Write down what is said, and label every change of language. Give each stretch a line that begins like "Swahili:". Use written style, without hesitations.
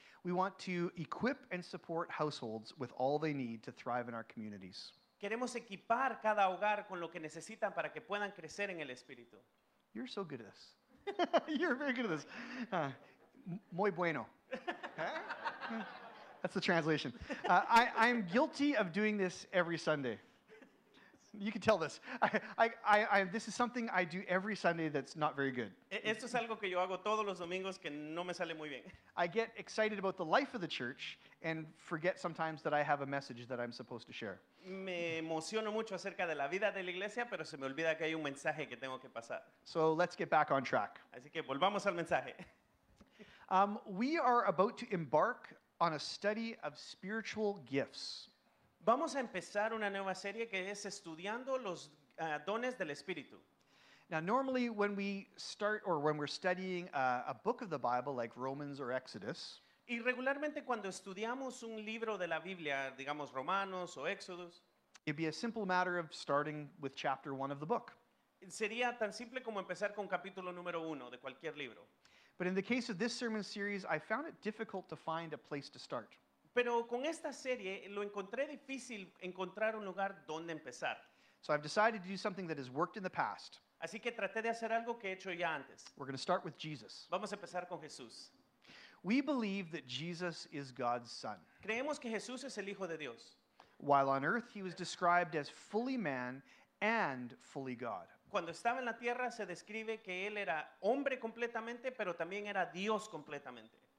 English: We want to equip and support households with all they need to thrive in our communities.
Spanish: Queremos equipar cada hogar con lo que necesitan para que puedan crecer en el espíritu.
English: You're so good at this. You're very good at this.
Spanish: Muy bueno.
English: That's the translation. I'm guilty of doing this every Sunday. You can tell this. This is something I do every Sunday that's not very good.
Spanish: Esto es algo que yo hago todos los domingos que no me sale muy bien.
English: I get excited about the life of the church and forget sometimes that I have a message that I'm supposed to share.
Spanish: Me emociono mucho acerca de la vida de la iglesia, pero se me olvida que hay un mensaje que tengo que pasar.
English: So let's get back on track.
Spanish: Así que volvamos al mensaje.
English: We are about to embark on a study of spiritual gifts.
Spanish: Vamos a empezar una nueva serie que es estudiando los dones del Espíritu.
English: Now, normally when we start or when we're studying a book of the Bible like Romans or Exodus,
Spanish: y regularmente cuando estudiamos un libro de la Biblia, digamos Romanos o Éxodos,
English: it'd be a simple matter of starting with chapter one of the book.
Spanish: Sería tan simple como empezar con capítulo número uno de cualquier libro.
English: But in the case of this sermon series, I found it difficult to find a place to start.
Spanish: Pero con esta serie lo encontré difícil encontrar un lugar donde empezar.
English: So I've decided to do something that has worked in the past.
Spanish: Así que traté de hacer algo que he hecho ya antes.
English: We're going to start with Jesus.
Spanish: Vamos a empezar con Jesús.
English: We believe that Jesus is God's son.
Spanish: Creemos que Jesús es el hijo de Dios.
English: While on earth, he was described as fully man and fully God.
Spanish: Cuando estaba en la tierra, se describe que él era hombre completamente, pero también era Dios completamente.